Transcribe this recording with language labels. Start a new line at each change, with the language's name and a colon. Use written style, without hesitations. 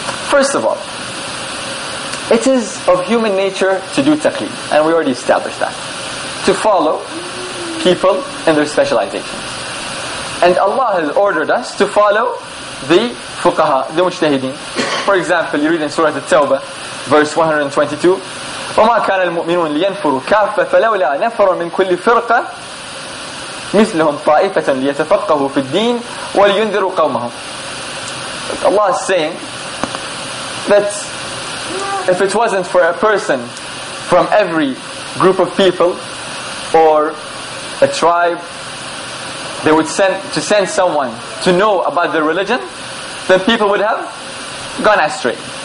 English: First of all, it is of human nature to do taqlid, and we already established that. To follow people in their specializations. And Allah has ordered us to follow the fuqaha, the mujtahideen. For example, you read in Surah At-Tawbah, verse 122,
Arabic: وَمَا كَانَ الْمُؤْمِنُونَ لِيَنْفُرُوا كَافَّةً فَلَوْلَا نَفَرُوا مِنْ كُلِّ فِرْقَةً مِثْلِهُمْ طَائِفَةً لِيَتَفَقَّهُوا فِي الدِّينِ وَلِيُنذِرُوا قَوْمَهُمْ.
English: Allah is saying that if it wasn't for a person from every group of people or a tribe, they would send someone to know about their religion, then people would have gone astray.